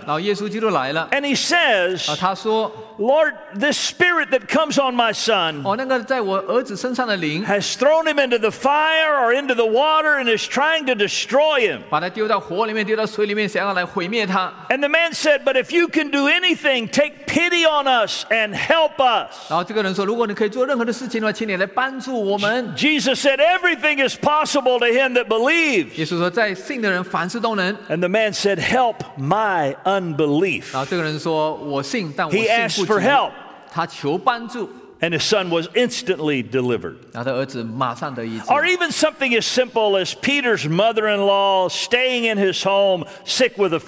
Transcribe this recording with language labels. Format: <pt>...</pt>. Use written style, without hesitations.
<en>And he says, Lord, this spirit that comes on my son has thrown him into the fire or into the water and is trying to destroy him. And the man said, but if you can do anything, take pity on us and help us.</en> <zh>然后这个人说, 如果你可以做任何的事情的话, 请你来帮助我们。</zh> <en>Jesus said, everything is possible to him that believes.</en> <zh>耶稣说, 在信的人凡事都能。</zh> <en>And the man said, help my unbelief.</en> <zh>然后这个人说, 我信, 但我信不足。</zh> <en>He asked for help.</en> <zh>他求帮助。</zh> <en>And his son was instantly delivered.</en> <zh>然后他儿子马上得医治。</zh> <en>Or even something as simple as Peter's mother-in-law staying in his home sick with a fever.</en>